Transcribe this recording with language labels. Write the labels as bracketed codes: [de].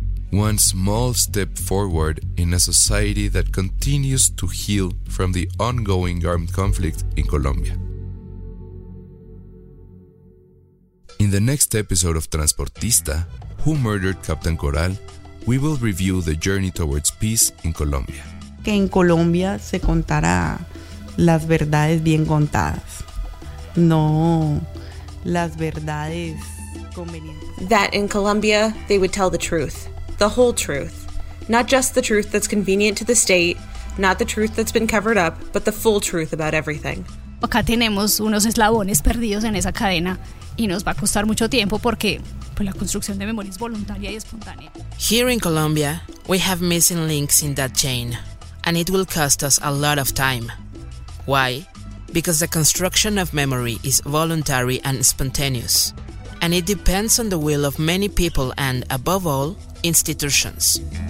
[en] One small step forward in a society that continues to heal from the ongoing armed conflict in Colombia. In the next episode of Transportista, Who Murdered Captain Coral, we will review the journey towards peace in Colombia. [es] Que en Colombia se contará las verdades bien contadas. No, las verdades convenientes. [en] That in Colombia, they would tell the truth. The whole truth. Not just the truth that's convenient to the state, not the truth that's been covered up, but the full truth about everything. [es] Acá tenemos unos eslabones perdidos en esa cadena. Y nos va a costar mucho tiempo porque pues, la construcción de memoria es voluntaria y espontánea. [en] Here in Colombia, we have missing links in that chain, and it will cost us a lot of time. Why? Because the construction of memory is voluntary and spontaneous, and it depends on the will of many people and, above all, institutions.